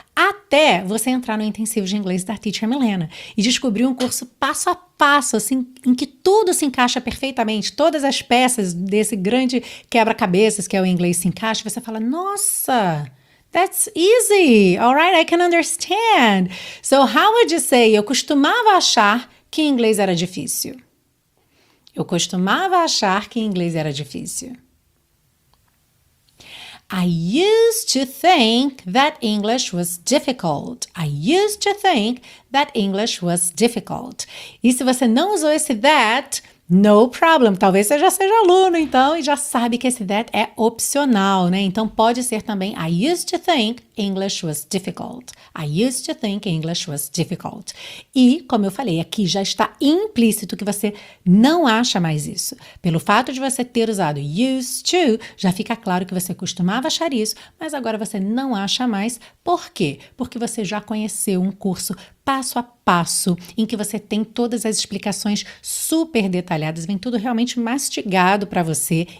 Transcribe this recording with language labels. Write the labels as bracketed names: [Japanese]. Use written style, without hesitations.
[Portuguese] Até você entrar no intensivo de inglês da Teacher Milena e descobrir um curso passo a passo, assim, em que tudo se encaixa perfeitamente, todas as peças desse grande quebra-cabeças que é o inglês se encaixa, você fala, nossa, [English] that's easy, all right, I can understand. So how would you say, [Portuguese] eu costumava achar que inglês era difícil? Eu costumava achar que inglês era difícil. [English] I used to think that English was difficult. I used to think that English was difficult. [Portuguese] E se você não usou esse that, [English] no problem. [Portuguese] Talvez você já seja aluno, então, e já sabe que esse that é opcional, né? Então, pode ser também, [English] I used to think English was difficult. I used to think English was difficult. [Portuguese] E, como eu falei, aqui já está implícito que você não acha mais isso. Pelo fato de você ter usado used to, já fica claro que você costumava achar isso, mas agora você não acha mais. Por quê? Porque você já conheceu um curso passo a passo, em que você tem todas as explicações super detalhadas, vem tudo realmente mastigado para você.